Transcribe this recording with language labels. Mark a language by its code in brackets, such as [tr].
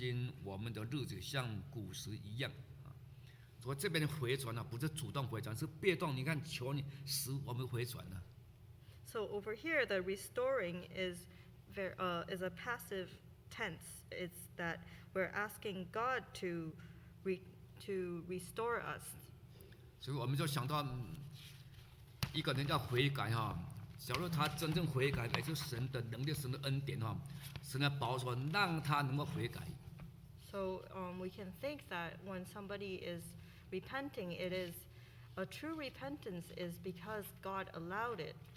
[zh] 耶和华啊，求你存到永远，你的宝座存到万代。二十节，你为何永远忘记我们？为何许久离弃我们呢？二十一节，21。耶和华啊，求你使我们向你回转，求你啊，求你使我们向你回转，我们便得回转。求你复兴我们的日子，像古时一样。 [en] So over here, the restoring is a passive tense. It's that we're asking God to restore us. [zh] 所以我们就想到一个人要悔改哈，假如他真正悔改，也就是神的能力、神的恩典哈，神的保守，让他能够悔改。 [en] So we can think that when somebody is repenting, it is a true repentance is because God allowed it.